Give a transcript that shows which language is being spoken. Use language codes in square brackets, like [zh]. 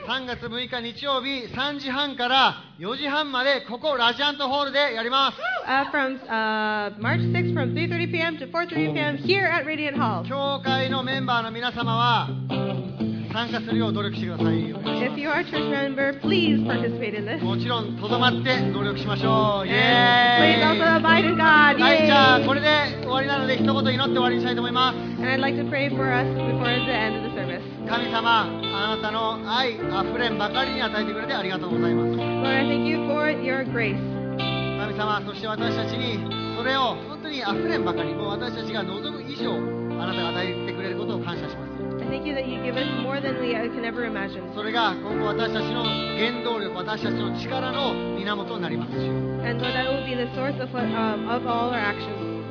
[ja] 3月6日日曜日3時半から4時半までここラジアントホールでやります。 [en] From March 6th from 3:30 p.m. to 4:30 p.m. here at Radiant Hall. [ja] 教会のメンバーの皆様は参加するよう努力してください。 [en] If you are a church member, please participate in this. [ja] もちろん留まって努力しましょう。 [en] Please also abide in God. [ja] はい、じゃあこれで終わりなので一言祈って終わりにしたいと思います。 [en] And I'd like to pray for us before the end of the service. [ja] 神様、あなたの愛あふれんばかりに与えてくれてありがとうございます。 [en] Lord, I thank you for your grace. [ja] 神様、そして私たちにそれを本当にあふれんばかり、もう私たちが望む以上あなたが与えてくれることを感謝します。 [en] Thank you that you give us more than we can ever imagine. [ja] それが今後私たちの原動力、私たちの力の源になりますし。 [en] And Lord, that will be the source of what, of all our actions.